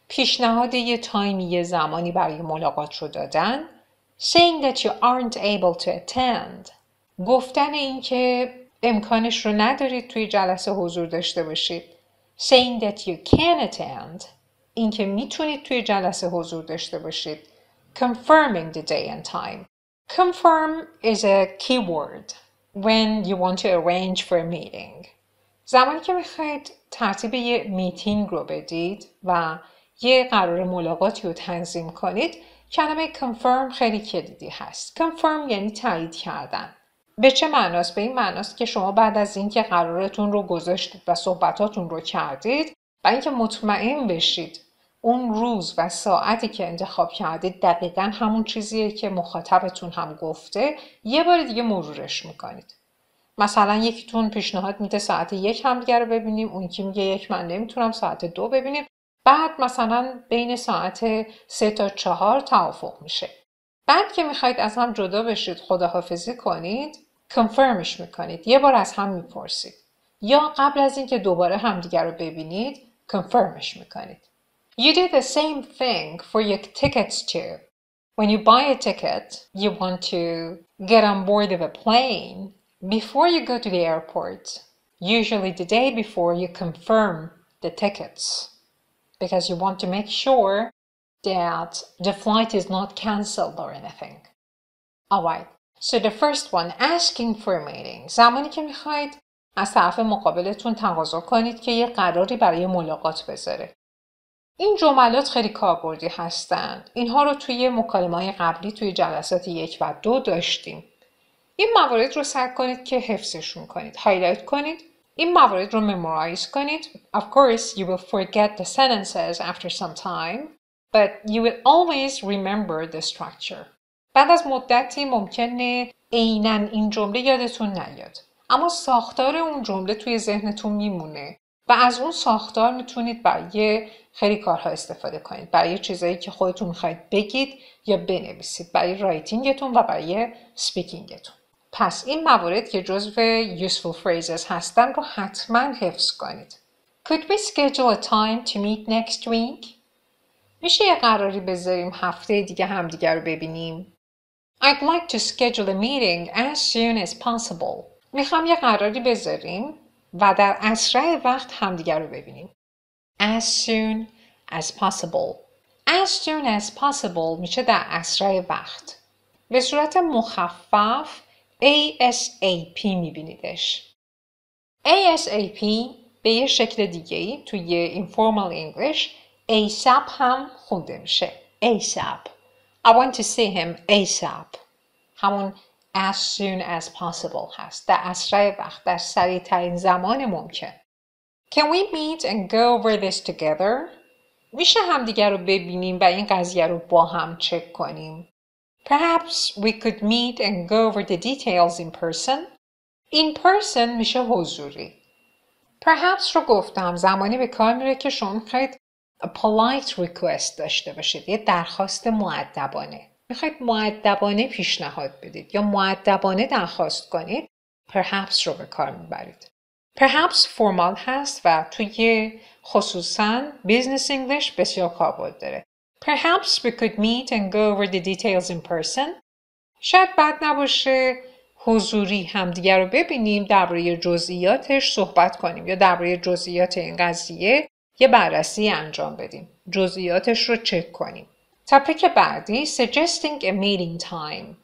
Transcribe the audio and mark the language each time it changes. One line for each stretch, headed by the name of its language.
Persian: پیشنهاد یه تایمی یه زمانی برای ملاقات رو دادن.
English: Saying that you aren't able to attend.
Persian: گفتن این که امکانش رو ندارید توی جلسه حضور داشته باشید.
English: Saying that you can attend.
Persian: این که میتونید توی جلسه حضور داشته باشید.
English: Confirming the day and time. Confirm is a keyword when you want to arrange for a meeting.
Persian: زمانی که میخواید ترتیب یه میتینگ رو بدید و یه قرار ملاقاتی رو تنظیم کنید، کلمه confirm خیلی کلیدی هست. Confirm یعنی تایید کردن. به چه معناست؟ به این معناست که شما بعد از اینکه قرارتون رو گذاشتید و صحبتاتون رو کردید، برای اینکه مطمئن بشید اون روز و ساعتی که انتخاب کردید دقیقا همون چیزیه که مخاطبتون هم گفته، یه بار دیگه مرورش میکنید. مثلا یکیتون پیشنهاد میده ساعت 1 همدیگر رو ببینیم، اون یکی میگه یک من نمیتونم ساعت 2 ببینیم، بعد مثلا بین ساعت 3 تا 4 توافق میشه. بعد که میخواید از هم جدا بشید، خداحافظی کنید، کنفرمش میکنید، یه بار از هم میپرسید. یا قبل از اینکه دوباره همدیگر رو ببینید کنفرمش میکنید.
English: You do the same thing for your tickets too. When you buy a ticket, you want to get on board of a plane. Before you go to the airport, usually the day before you confirm the tickets. Because you want to make sure that the flight is not cancelled or anything. Alright, so the first one, asking for a meeting.
Persian: زمانی که میخواید از طرف مقابلتون تقاضا کنید که یه قراری برای ملاقات بذاره. این جملات خیلی کاربردی هستن. اینها رو توی مکالمه‌های قبلی توی جلسات 1 و 2 داشتیم. این موارد رو سعی کنید که حفظشون کنید. هایلایت کنید. این موارد رو ممورایز کنید.
English: Of course you will forget the sentences after some time, but you will always remember the structure.
Persian: بعد از مدتی ممکنه عیناً این جمله یادتون نیاد، اما ساختار اون جمله توی ذهنتون میمونه و از اون ساختار میتونید برای خیلی کارها استفاده کنید. برای چیزایی که خودتون میخواید بگید یا بنویسید، برای رایتینگتون و برای سپیکینگتون. پس این موارد که جزو useful phrases هستن رو حتما حفظ کنید.
English: Could we schedule a time to meet next week?
Persian: میشه یه قراری بذاریم هفته دیگه همدیگر رو ببینیم؟
English: I'd like to schedule a meeting as soon as possible.
Persian: میخوام یه قراری بذاریم و در اسرع وقت همدیگر رو ببینیم.
English: As soon as possible. As soon as possible
Persian: میشه در اسرع وقت. به صورت مخفف ASAP میبینیدش. ASAP به یه شکل دیگه توی informal English ASAP هم خونده میشه. ASAP.
English: I want to see him ASAP. همون as soon as possible هست.
Persian: در اسرع وقت، در سریع ترین زمان ممکن.
English: Can we meet and go over this together?
Persian: میشه همدیگر رو ببینیم و این قضیه رو با هم چک کنیم.
English: Perhaps we could meet and go over the details in person. In person
Persian: میشه حضوری. Perhaps رو گفتم زمانی به کار میره که شما میخواید
English: a polite request
Persian: داشته باشید. یه درخواست مؤدبانه. میخواید مؤدبانه پیشنهاد بدید یا مؤدبانه درخواست کنید. Perhaps رو به کار میبرید. Perhaps formal هست و توی خصوصا business English بسیار کاربرد داره.
English: Perhaps we could meet and go over the details in person.
Persian: شاید بد نباشه حضوری همدیگر رو ببینیم درباره جزئیاتش صحبت کنیم یا درباره جزئیات این قضیه یه بررسی انجام بدیم. جزئیاتش رو چک کنیم. تپک بعدی
English: suggesting a meeting time.